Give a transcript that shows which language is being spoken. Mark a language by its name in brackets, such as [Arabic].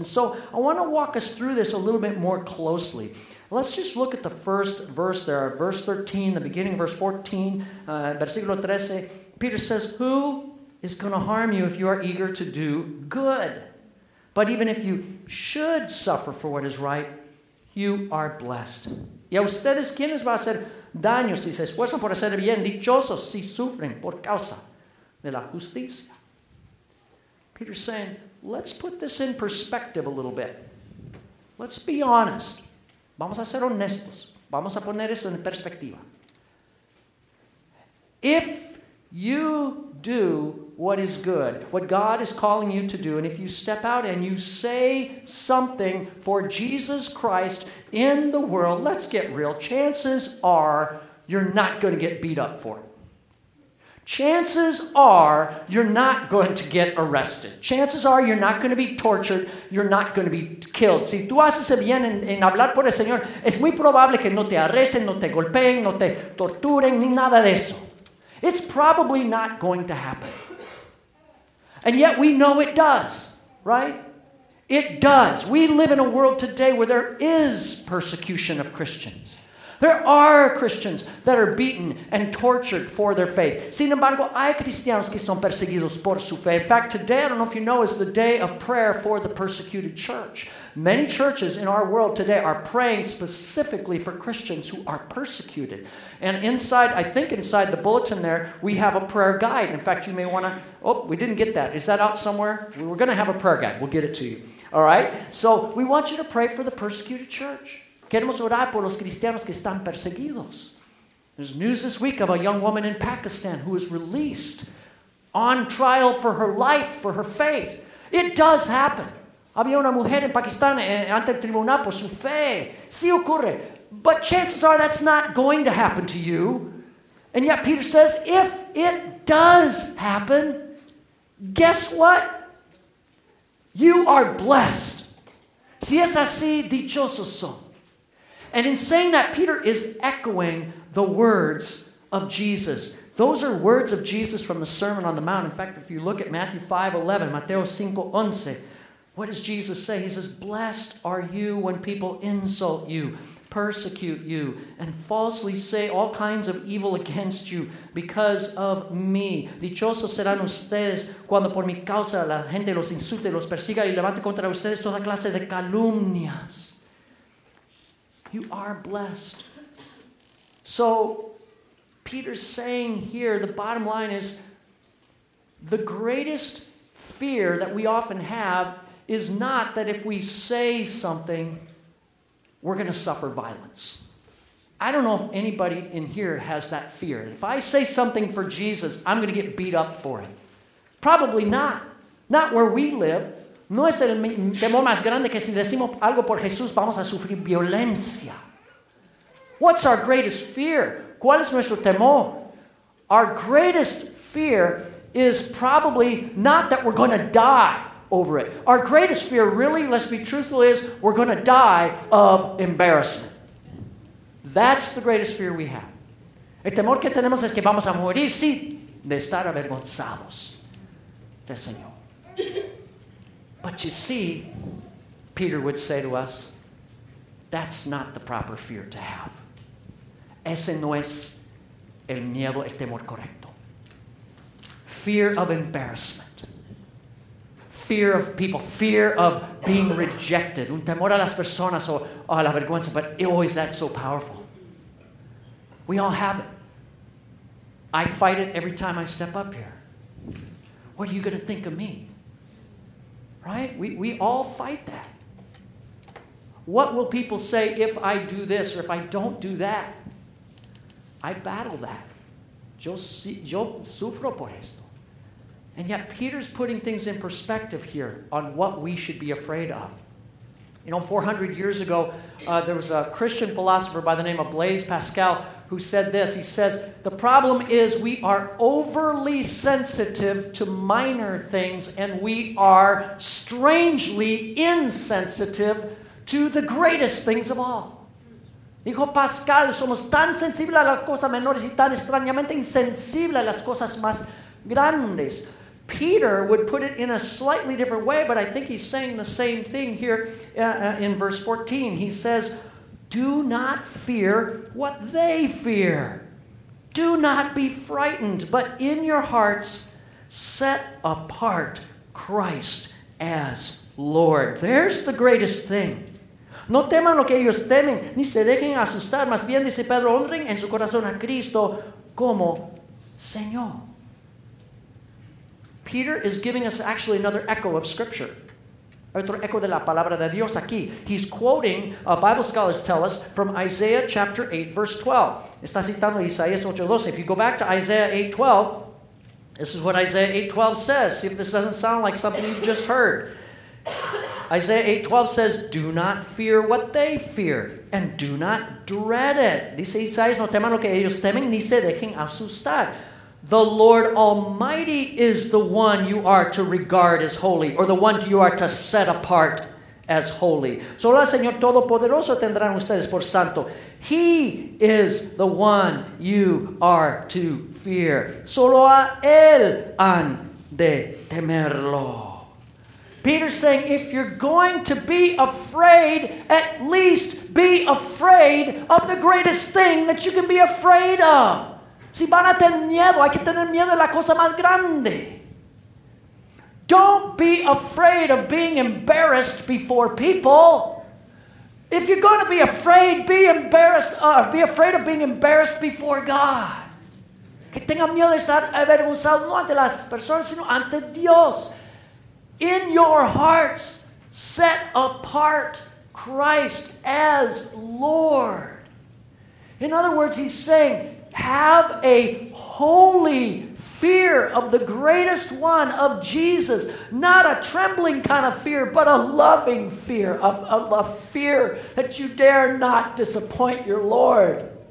[English] And so I want to walk us through this a little bit more closely. Let's just look at the first verse there, verse 13, the beginning, verse 14, [Spanish] versículo 13. [English] Peter says, who is going to harm you if you are eager to do good? But even if you should suffer for what is right, you are blessed. [Spanish] ¿Y a ustedes quién les va a hacer daño si se esfuerzan por hacer bien? Dichosos si sufren por causa de la justicia. [English] Peter's saying, let's put this in perspective a little bit. Let's be honest. [Spanish] Vamos a ser honestos. Vamos a poner eso en perspectiva. [English] If you do what is good, what God is calling you to do, and if you step out and you say something for Jesus Christ in the world, let's get real, chances are you're not going to get beat up for it. Chances are you're not going to get arrested. Chances are you're not going to be tortured. You're not going to be killed. [Spanish] Si tú haces bien en hablar por el Señor, es muy probable que no te arresten, no te golpeen, no te torturen, ni nada de eso. [English] It's probably not going to happen. And yet we know it does, right? It does. We live in a world today where there is persecution of Christians. There are Christians that are beaten and tortured for their faith. [Spanish] Sin embargo, hay cristianos que son perseguidos por su fe. [English] In fact, today, I don't know if you know, is the day of prayer for the persecuted church. Many churches in our world today are praying specifically for Christians who are persecuted. And inside, I think inside the bulletin there, we have a prayer guide. In fact, you may want to, oh, we didn't get that. Is that out somewhere? We were going to have a prayer guide. We'll get it to you. All right? So we want you to pray for the persecuted church. [Spanish] Queremos orar por los cristianos que están perseguidos. [English] There's news this week of a young woman in Pakistan who was released on trial for her life, for her faith. It does happen. [Spanish] Había una mujer en Pakistán ante el tribunal por su fe. Sí ocurre. [English] But chances are that's not going to happen to you. And yet Peter says, if it does happen, guess what? You are blessed. [Spanish] Si es así, dichosos son. [English] And in saying that, Peter is echoing the words of Jesus. Those are words of Jesus from the Sermon on the Mount. In fact, if you look at Matthew 5:11, [Spanish] Mateo 5:11, [English] what does Jesus say? He says, blessed are you when people insult you, persecute you, and falsely say all kinds of evil against you because of me. Dichosos serán ustedes cuando por mi causa la gente los insulte, los persiga y levante contra ustedes toda clase de calumnias. You are blessed. So Peter's saying here, the bottom line is, the greatest fear that we often have is not that if we say something, we're going to suffer violence. I don't know if anybody in here has that fear. If I say something for Jesus, I'm going to get beat up for it. Probably not. Not where we live. [Spanish] No es el temor más grande que si decimos algo por Jesús, vamos a sufrir violencia. [English] What's our greatest fear? [Spanish] ¿Cuál es nuestro temor? [English] Our greatest fear is probably not that we're going to die over it. Our greatest fear, really, let's be truthful, is we're going to die of embarrassment. That's the greatest fear we have. [Spanish] El temor que tenemos es que vamos a morir, sí, de estar avergonzados del Señor. [English] But you see, Peter would say to us, That's not the proper fear to have. [Spanish] Ese no es el miedo, el temor correcto. [English] Fear of embarrassment. Fear of people. Fear of being rejected. [Spanish] Un temor a las personas o a la vergüenza. [English] But oh, is that so powerful? We all have it. I fight it every time I step up here. What are you going to think of me? Right? We all fight that. What will people say if I do this or if I don't do that? I battle that. [Spanish] Yo sufro por esto. [English] And yet Peter's putting things in perspective here on what we should be afraid of. You know, 400 years ago, there was a Christian philosopher by the name of Blaise Pascal who said this. He says, the problem is we are overly sensitive to minor things and we are strangely insensitive to the greatest things of all. [Spanish] Dijo Pascal, somos tan sensibles a las cosas menores y tan extrañamente insensibles a las cosas más grandes. [English] Peter would put it in a slightly different way, but I think he's saying the same thing here in verse 14. He says, do not fear what they fear. Do not be frightened, but in your hearts set apart Christ as Lord. There's the greatest thing. [Spanish] No teman lo que ellos temen, ni se dejen asustar. Más bien, dice Pedro, honren en su corazón a Cristo como Señor. [English] Peter is giving us actually another echo of Scripture. [Spanish] Otro echo de la palabra de Dios aquí. [English] He's quoting, Bible scholars tell us, from Isaiah chapter 8, verse 12. [Spanish] Está citando Isaías 8:12. [English] If you go back to Isaiah 8:12, this is what Isaiah 8:12 says. See if this doesn't sound like something you've just heard. Isaiah 8:12 says, do not fear what they fear, and do not dread it. [Spanish] Dice Isaías, no teman lo que ellos temen, ni se dejen asustar. [English] The Lord Almighty is the one you are to regard as holy, or the one you are to set apart as holy. [Spanish] Solo el Señor Todopoderoso tendrán ustedes por santo. [English] He is the one you are to fear. [Spanish] Solo a Él han de temerlo. [English] Peter's saying, if you're going to be afraid, at least be afraid of the greatest thing that you can be afraid of. [Spanish] Si van a tener miedo, hay que tener miedo de la cosa más grande. [English] Don't be afraid of being embarrassed before people. If you're going to be afraid, be afraid of being embarrassed before God. [Spanish] Que tengan miedo de estar avergonzados no ante las personas, sino ante Dios. [English] In your hearts, set apart Christ as Lord. In other words, he's saying, have a holy fear of the greatest one, of Jesus. Not a trembling kind of fear, but a loving fear, a fear that you dare not disappoint your Lord.